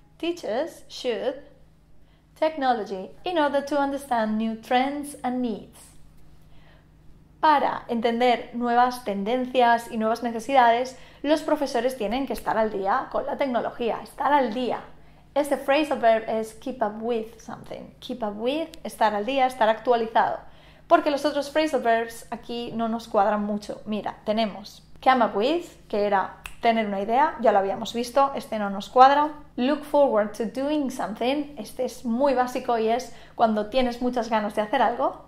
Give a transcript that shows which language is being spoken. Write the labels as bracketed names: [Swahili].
[English] Teachers should technology in order to understand new trends and needs. [Spanish] Para entender nuevas tendencias y nuevas necesidades, los profesores tienen que estar al día con la tecnología, estar al día. Este phrasal verb es keep up with something. Keep up with, estar al día, estar actualizado. Porque los otros phrasal verbs aquí no nos cuadran mucho. Mira, tenemos come up with, que era tener una idea, ya lo habíamos visto, este no nos cuadra. Look forward to doing something, este es muy básico y es cuando tienes muchas ganas de hacer algo.